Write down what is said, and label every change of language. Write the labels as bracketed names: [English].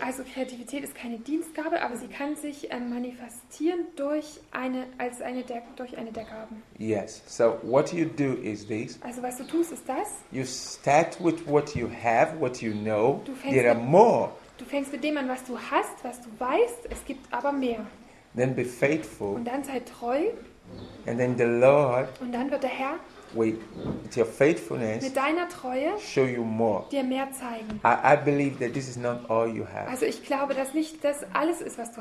[German] Also Kreativität ist keine Dienstgabe, aber sie kann sich manifestieren durch eine der Gaben. [English] Yes. So what you do is this. [German] Also was du tust ist das. [English] You start with what you have, what you know. [German] Du fängst mit dem an, was du hast, was du weißt. Es gibt aber mehr. [English] Then be faithful. [German] Und dann sei treu. [English] And then the Lord. [German] Und dann wird der Herr. [English] With your faithfulness, [German] mit deiner Treue, [English] show you more. [German] Dir mehr zeigen. [English] I believe that this is not all you have. [German] Also ich glaube, dass nicht das alles ist, was du